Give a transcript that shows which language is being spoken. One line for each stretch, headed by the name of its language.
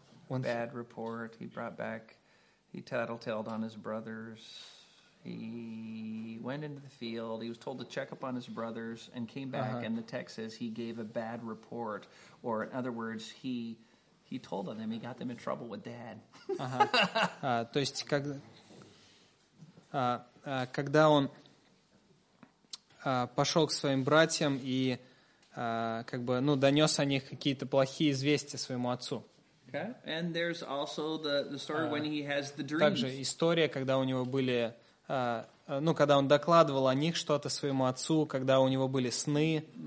English: Bad report. He brought back. He tattletailed on his brothers. He went into the field. He was told to check up on his brothers and came back. Uh-huh. And the text says he gave a bad report. Or, in other words, he told on them. He got them in trouble with dad.
Russian: То есть, когда он пошел к своим братьям и как бы, ну, донес о них какие-то плохие известия своему отцу.
English: Okay. And there's also the story when he has the dreams.
Russian: Также история, когда у него были ну, когда он докладывал о них что-то своему отцу, когда у него были сны.